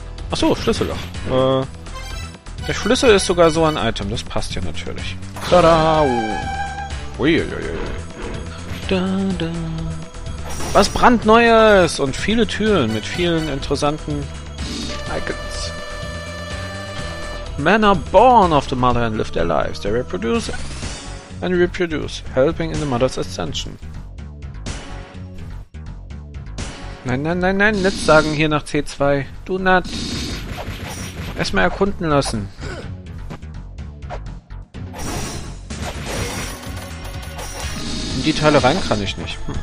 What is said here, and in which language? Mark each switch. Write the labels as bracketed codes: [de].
[de] Achso, Schlüsselloch. Der Schlüssel ist sogar so ein Item. Das passt ja natürlich. Tada! Uiuiui. Da, da. Was brandneues und viele Türen mit vielen interessanten Icons. [en] Men are born of the mother and live their lives. They reproduce and reproduce, helping in the mother's ascension. [de] Nein, nein, nein, nein, nicht sagen hier nach C2. [en] Do not. [de] Erstmal erkunden lassen. Die Teile rein kann ich nicht.